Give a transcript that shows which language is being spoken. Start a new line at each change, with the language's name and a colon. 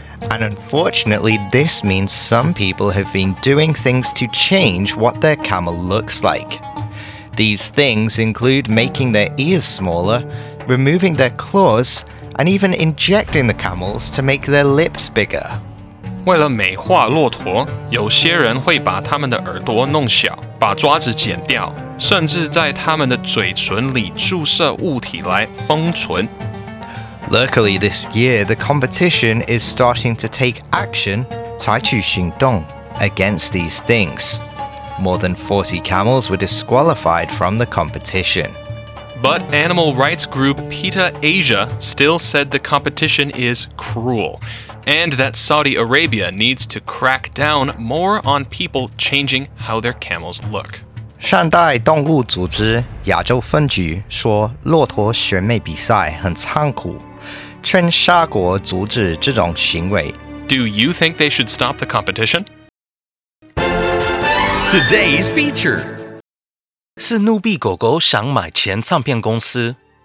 English: And unfortunately, this means some people have been doing things to change what their camel looks like. These things include making their ears smaller, removing their claws, and even injecting the camels to make their lips bigger.
Chinese: 为了美化骆驼，有些人会把他们的耳朵弄小，把爪子剪掉。甚至在他们的嘴唇里注射物体来封唇。
English: Luckily, this year, the competition is starting to take action, 采取行动, against these things. More than 40 camels were disqualified from the competition. But animal rights group Peta Asia still said the competition is cruel, and that Saudi Arabia needs to crack down more on people changing how their camels look.
Chinese: 善待动物组织亚洲分局说骆驼选美比赛很残酷，劝沙国阻止这种行为。
English: Do you think they should stop the competition? Today's feature.
Chinese: 史努比狗狗想买前唱片公司。